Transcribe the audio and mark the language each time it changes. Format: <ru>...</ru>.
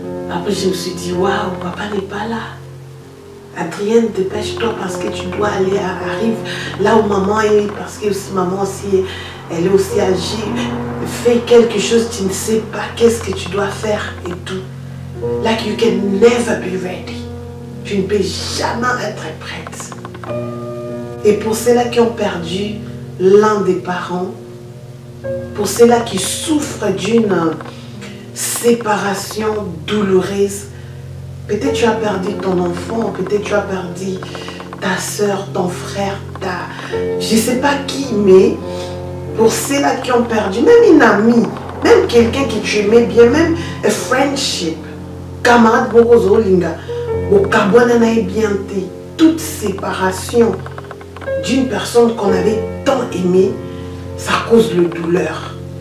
<fr>Après, je me suis dit, waouh, papa n'est pas là. Adrienne, dépêche-toi parce que tu dois aller, arrive là où maman est, parce que aussi, maman aussi, elle est aussi âgée. Fais quelque chose, tu ne sais pas qu'est-ce que tu dois faire et tout.</fr> <en>Like you can never be ready.</en> <fr>Tu ne peux jamais être prête. Et pour ceux-là qui ont perdu l'un des parents, pour ceux-là qui souffrent d'une... séparation douloureuse, peut-être tu as perdu ton enfant, peut-être tu as perdu ta soeur, ton frère, je sais pas qui, mais pour ceux-là qui ont perdu, même une amie, même quelqu'un que tu aimais bien, même</fr> <en>a friendship,</en> <fr>camarade</fr> <ln>Bokozolinga, Bokabwananae Bienté,</ln> <fr>toute séparation d'une personne qu'on avait tant aimée, ça cause le douleur.</fr>